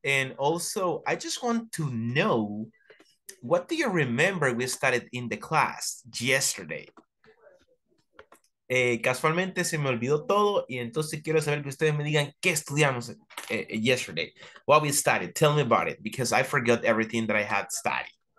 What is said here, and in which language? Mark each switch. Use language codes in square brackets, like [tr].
[en] And also, I just want to know, what do you remember we studied in the class yesterday? [es] Casualmente se me olvidó todo y entonces quiero saber que ustedes me digan qué estudiamos [en] yesterday. What we studied, tell me about it, because I forgot everything that I had studied.